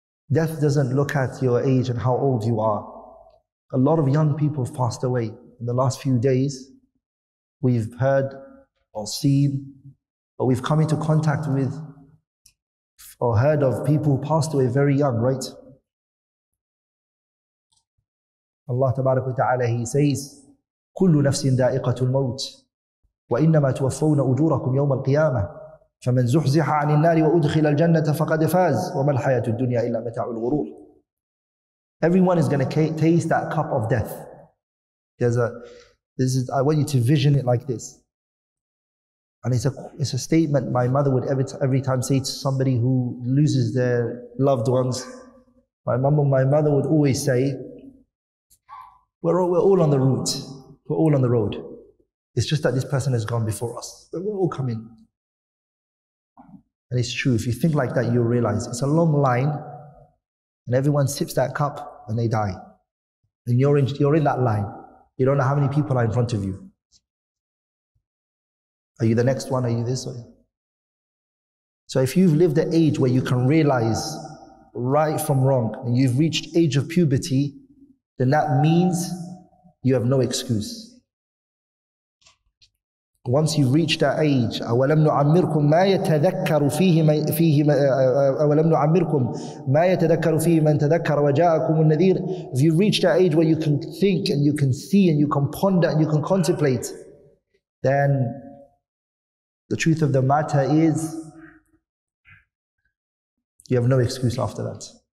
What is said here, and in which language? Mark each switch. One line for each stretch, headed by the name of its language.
English: Death doesn't look at your age and how old you are. A lot of young people have passed away. In the last few days, we've heard or seen, or we've come into contact with or heard of people who passed away very young, right? Allah Ta'ala, He says,
Arabic: كُلُّ نَفْسٍ دَائِقَةُ الْمَوْتِ وَإِنَّمَا تُوَفَّوْنَ أُجُورَكُمْ يَوْمَ الْقِيَامَةِ فَمَنْ زُحْزِحَ عَنِ النَّارِ وَأُدْخِلَ الْجَنَّةَ فَقَدْ فَازْ وَمَا الْحَيَاةُ الدُّنْيَا إِلَّا مَتَاعُ الْغُرُورِ.
English: Everyone is going to taste that cup of death. I want you to vision it like this. And it's a statement my mother would every time say to somebody who loses their loved ones. My mother would always say, we're all on the road. It's just that this person has gone before us. But we're all coming. And it's true. If you think like that, you'll realize it's a long line and everyone sips that cup and they die. And you're in that line. You don't know how many people are in front of you. Are you the next one? Are you this one? So if you've lived the age where you can realize right from wrong and you've reached age of puberty, then that means you have no excuse. Once you reach that age,
Arabic: أَوَلَمْ نُعَمِّرْكُمْ مَا يَتَذَكَّرُ فِيهِ أَوَلَمْ نُعَمِّرْكُمْ مَا يَتَذَكَّرُ فِيهِ مَنْ تَذَكَّرَ وَجَاءَكُمُ النَّذِيرُ.
English: If you reach that age where you can think and you can see and you can ponder and you can contemplate, then the truth of the matter is you have no excuse after that.